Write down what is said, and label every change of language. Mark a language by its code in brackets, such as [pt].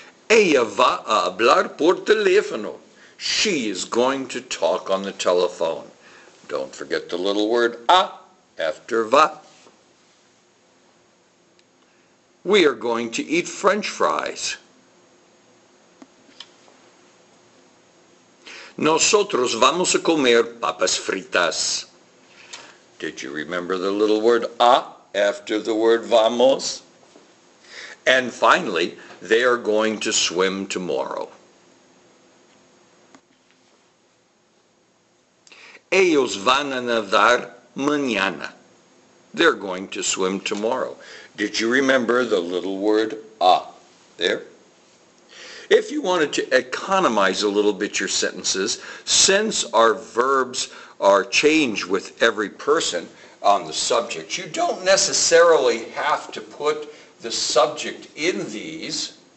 [es] Ella va a hablar por teléfono. [en] She is going to talk on the telephone. Don't forget the little word a after va. We are going to eat French fries. [es] Nosotros vamos a comer papas fritas. [en] Did you remember the little word a after the word vamos? And finally, they are going to swim tomorrow. [es] Ellos van a nadar mañana. [en] They're going to swim tomorrow. Did you remember the little word a there? If you wanted to economize a little bit your sentences, since our verbs are changed with every person on the subject, you don't necessarily have to put the subject in these.